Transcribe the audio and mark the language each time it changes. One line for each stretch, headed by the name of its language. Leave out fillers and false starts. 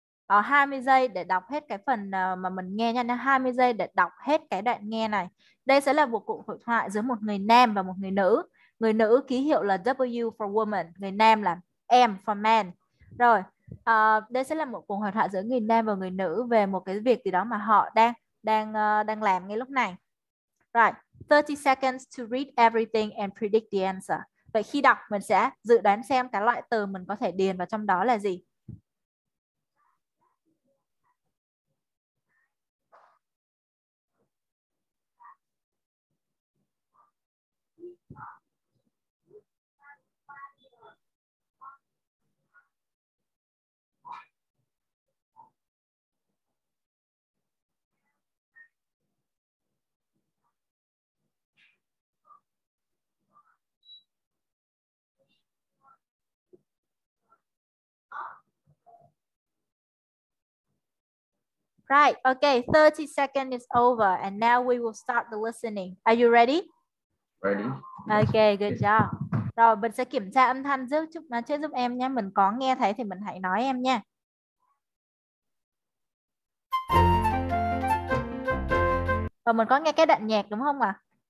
Vietnamese: 20 giây để đọc hết cái phần mà mình nghe nha. 20 giây để đọc hết cái đoạn nghe này. Đây sẽ là một cuộc hội thoại giữa một người nam và một người nữ. Người nữ ký hiệu là W for woman. Người nam là M for man. Rồi, đây sẽ là một cuộc hội thoại giữa người nam và người nữ về một cái việc gì đó mà họ đang làm ngay lúc này.
English: Right, 30 seconds to read everything and predict the answer.
Vietnamese: Vậy khi đọc mình sẽ dự đoán xem cái loại từ mình có thể điền vào trong đó là gì.
English: Right, okay, 30 seconds is over and now we will start the listening. Are you ready? Ready. Okay, good job.
Vietnamese: Rồi, mình sẽ kiểm tra âm thanh giúp em nha. Mình có nghe thấy thì mình hãy nói em nha. Và mình có nghe cái đoạn nhạc đúng không ạ?